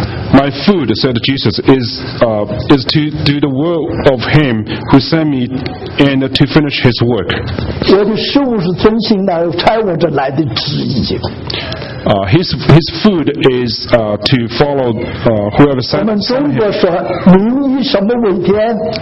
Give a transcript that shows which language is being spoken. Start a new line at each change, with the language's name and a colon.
English: My food, said Jesus, is to do the will of him who sent me and to finish his work.
Chinese: 我的食物是遵行那差我这来的旨意。
English: His food is to follow whoever sent him.
Chinese: 我们中国说，民以什么为天？